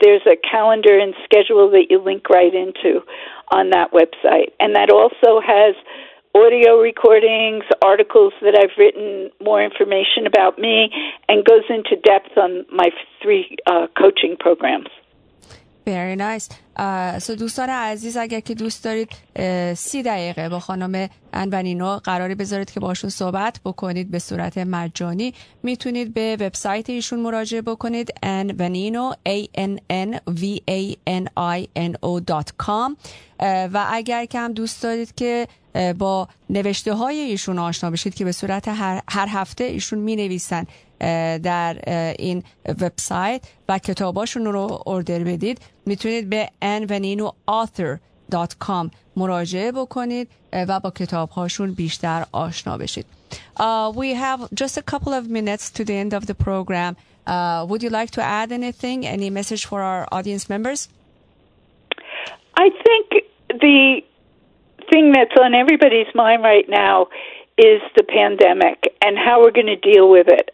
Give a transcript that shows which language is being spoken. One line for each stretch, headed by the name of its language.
English: There's a calendar and schedule that you link right into on that website. And that also has audio recordings, articles that I've written, more information about me, and goes into depth on my three coaching programs. Very nice.
Persian: So دوستان عزیز اگر که دوست دارید 30 دقیقه با خانم انبنینو قراری بذارید که باشون صحبت بکنید به صورت مجانی میتونید به وبسایت ایشون مراجعه بکنید انبنینو ANNVANINO.com و اگر که هم دوست دارید که با نوشته های ایشون آشنا بشید که به صورت هر هفته ایشون می نویسن در این وبسایت و کتاباشون رو اوردر بدید میتونید به anveninoauthor.com مراجعه بکنید و با کتابهاشون بیشتر آشنا بشید.
English: We have just a couple of minutes to the end of the program. Would you like to add anything, any message for our audience members? I think the thing that's on everybody's mind right now is the pandemic and how we're going to deal with it.